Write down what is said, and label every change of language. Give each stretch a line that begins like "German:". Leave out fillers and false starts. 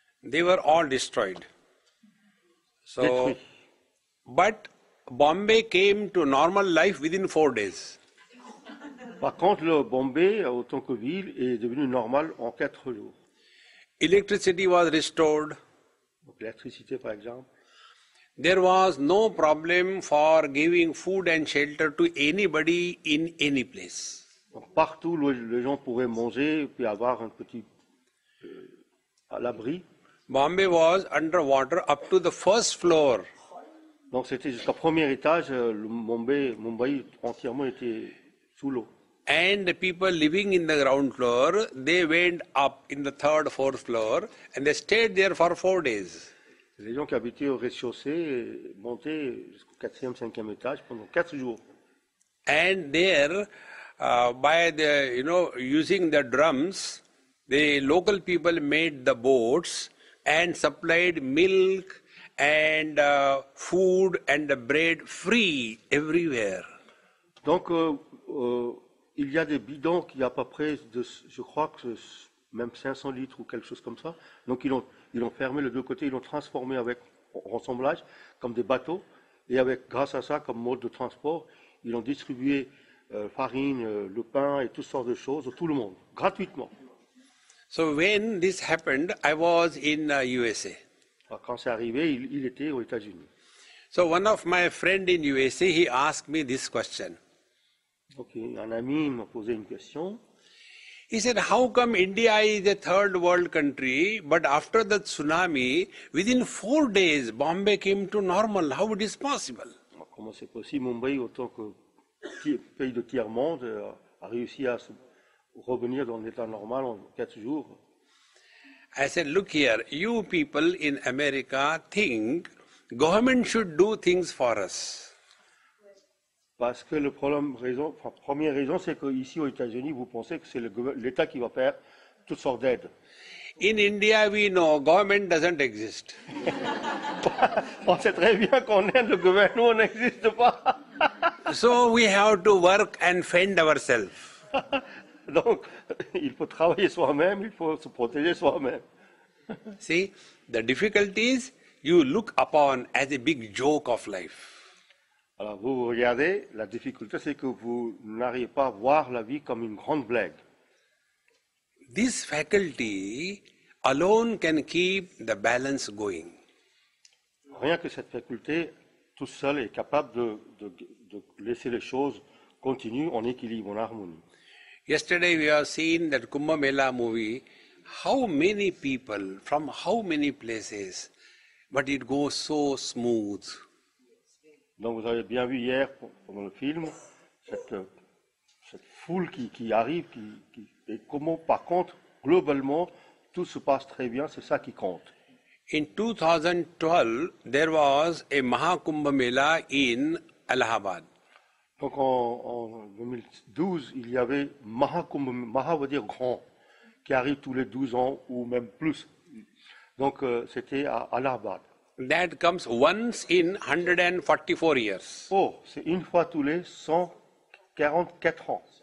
English: They were all destroyed. So, but Bombay came to normal life within 4 days.
French: Par contre, le Bombay, autant que ville, est devenu normal en 4 jours.
English: Electricity was restored.
French: Donc, l'électricité, par exemple.
English: There was no problem for giving food and shelter to anybody in any place.
French: Partout où les gens pourraient manger puis avoir un petit à l'abri.
English: Bombay was underwater up to the first floor.
French: Donc c'était jusqu'au premier étage, le Mumbai entièrement était sous l'eau.
English: And the people living in the ground floor, they went up in the third, fourth floor and they stayed there for 4 days.
French: Les gens qui habitaient au rez-de-chaussée montaient jusqu'au quatrième, cinquième étage pendant 4 jours.
English: And there, by the, you know, using the drums, the local people made the boats and supplied milk and food and the bread free everywhere.
French: Donc, il y a des bidons qui à peu près, de, je crois que même 500 litres ou quelque chose comme ça. Donc, ils ont fermé les deux côtés, ils l'ont transformé avec rassemblage comme des bateaux et avec grâce à ça comme mode de transport, ils ont distribué farine, le pain et toutes sortes de choses à tout le monde gratuitement.
English: So when this happened, I was in USA.
French: Quand c'est arrivé, il était aux États-Unis.
English: So one of my friend in USA, he asked me this question.
French: Okay, un ami m'a posé une question.
English: He said, how come India is a third world country, but after the tsunami, within 4 days, Bombay came to normal. How it is possible?
French: Comment c'est possible, Mumbai, autant que pays de tiers monde, a réussi à revenir dans l'état normal en 4 jours?
English: I said, look here, you people in America think government should do things for us.
French: Parce que le problème, première raison, c'est qu'ici aux États-Unis, vous pensez que c'est l'État qui va faire toutes sortes d'aides.
English: In India, we know government doesn't exist.
French: On sait très bien qu'on aide le gouvernement, on n'existe pas.
English: So we have to work and fend ourselves.
French: Donc, il faut travailler soi-même, il faut se protéger soi-même.
English: See, the difficulties you look upon as a big joke of life.
French: Alors, vous regardez, la difficulté, c'est que vous n'arrivez pas à voir la vie comme une grande blague.
English: This faculty alone can keep the balance going.
French: Rien que cette faculté, tout seul, est capable de laisser les choses continuer en équilibre, en harmonie.
English: Yesterday, we have seen that Kumbh Mela movie. How many people, from how many places, but it goes so smooth.
French: Donc vous avez bien vu hier pendant le film cette foule qui arrive qui et comment par contre globalement tout se passe très bien, c'est ça qui compte.
English: In 2012 there was a Mahakumbh Mela in Allahabad.
French: Donc en 2012 il y avait Mahakumbh, Maha veut dire grand, qui arrive tous les 12 ans ou même plus. Donc c'était à Allahabad.
English: That comes once in 144 years.
French: Oh, c'est une fois tous les 144 ans.